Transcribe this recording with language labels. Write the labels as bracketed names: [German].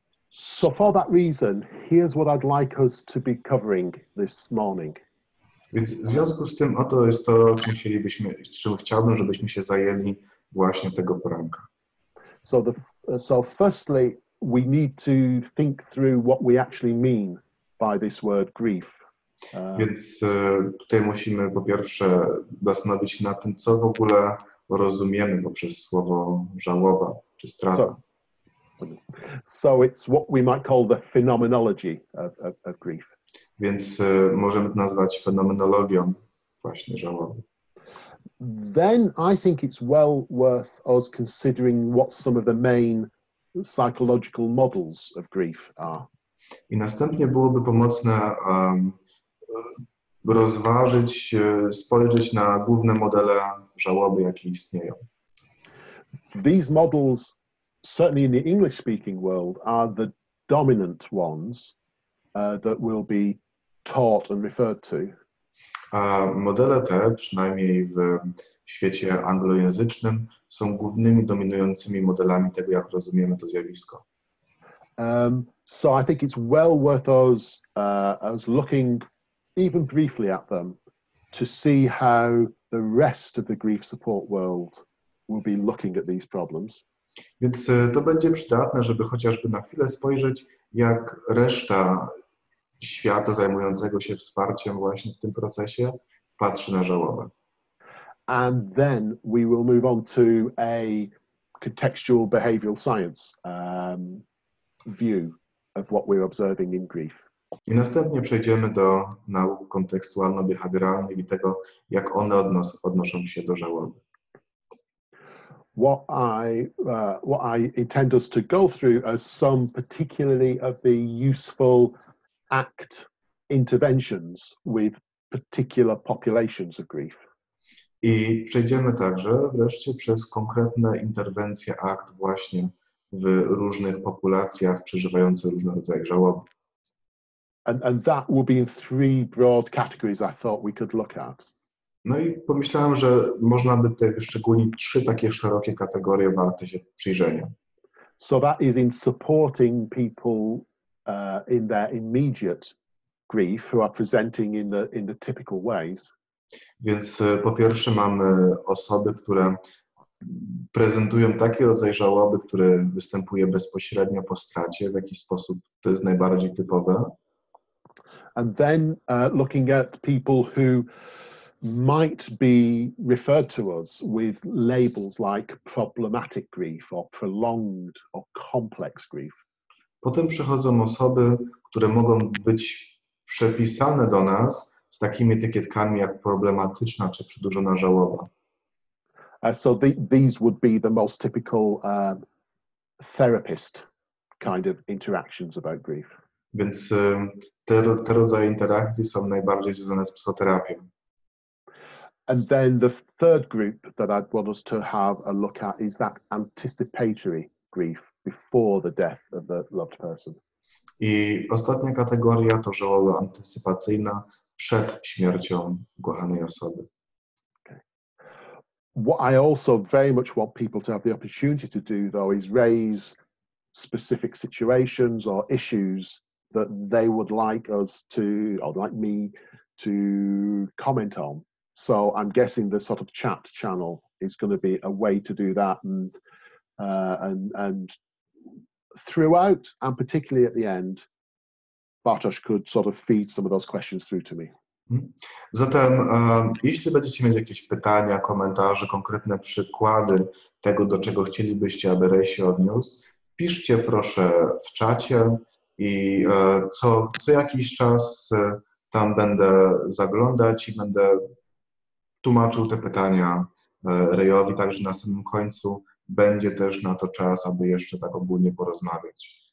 [English] So for that reason, here's what I'd like us to be covering this morning. [Polish] Więc w związku z tym, oto jest to, czym chciałbym, żebyśmy się zajęli właśnie tego poranka. [English] So firstly, we need to think through what we actually mean by this word grief. [Polish] Więc tutaj musimy po pierwsze zastanowić się nad tym, co w ogóle rozumiemy poprzez słowo żałoba czy strata. [English] So it's what we might call the phenomenology of grief. [Polish] Więc możemy to nazwać fenomenologią właśnie żałoby. [English] Then I think it's well worth us considering what some of the main psychological models of grief are. [Polish] I następnie byłoby pomocne rozważyć, spojrzeć na główne modele żałoby, jakie istnieją. [English] These models, certainly in the English-speaking world, are the dominant ones that will be taught and referred to. [Polish] A modele te, przynajmniej w świecie anglojęzycznym, są głównymi, dominującymi modelami tego, jak rozumiemy to zjawisko. [English] So I think it's well worth us as looking even briefly at them to see how the rest of the grief support world will be looking at these problems. [Polish] Więc to będzie przydatne, żeby chociażby na chwilę spojrzeć, jak reszta świata zajmującego się wsparciem właśnie w tym procesie patrzy na żałobę. [English] And then we will move on to a contextual behavioral science view of what we're observing in grief. [Polish] I następnie przejdziemy do nauk kontekstualno-behawioralnych i tego, jak one odnoszą się do żałoby. [English] What I intend us to go through are some particularly of the useful ACT interventions with particular populations of grief. [Polish] I przejdziemy także wreszcie przez konkretne interwencje ACT właśnie w różnych populacjach przeżywających różne rodzaje żałoby. [English] And that will be in three broad categories I thought we could look at. [Polish] No i pomyślałem, że można by te wyszczególnić trzy takie szerokie kategorie warte się przyjrzenia. [English] So that is in supporting people in their immediate grief who are presenting in the typical ways. [Polish] Więc po pierwsze mamy osoby, które prezentują taki rodzaj żałoby, który występuje bezpośrednio po stracie, w jaki sposób to jest najbardziej typowe. [English] And then looking at people who might be referred to us with labels like problematic grief or prolonged or complex grief. [Polish] Potem przychodzą osoby, które mogą być przepisane do nas z takimi etykietkami jak problematyczna czy przedłużona żałoba. [English] So these would be the most typical therapist kind of interactions about grief. [Polish] Więc te rodzaje interakcji są najbardziej związane z psychoterapią. [English] And then the third group that I'd want us to have a look at is that anticipatory grief before the death of the loved person. [Polish] I ostatnia kategoria to żałoba antycypacyjna przed śmiercią ukochanej osoby. [English] Okay. What I also very much want people to have the opportunity to do, though, is raise specific situations or issues that they would like us to, or like me, to comment on. So I'm guessing the sort of chat channel is going to be a way to do that. And throughout, and particularly at the end, Bartosz could sort of feed some of those questions through to me. [Polish] Zatem, jeśli będziecie mieć jakieś pytania, komentarze, konkretne przykłady tego, do czego chcielibyście, aby Ray się odniósł, piszcie proszę w czacie. I co jakiś czas tam będę zaglądać i będę tłumaczył te pytania Rejowi, także na samym końcu będzie też na to czas, aby jeszcze tak ogólnie porozmawiać.